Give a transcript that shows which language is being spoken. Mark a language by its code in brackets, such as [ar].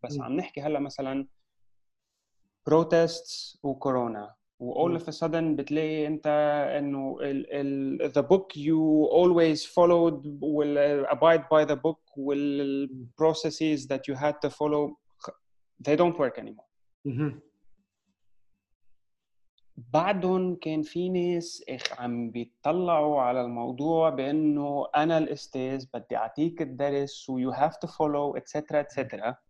[ar] بس عم نحكي هلا مثلاً protests وكورونا. [en] وall of a sudden [ar] بتلاقي أنت إنه [en] the book you always followed will abide by the book will processes that you had to follow. They don't work anymore. [ar] بعدهم كان في ناس عم بيطلعوا على الموضوع بأنه أنا الأستاذ بدي أعطيك الدرس و [en] you have to follow etc etc.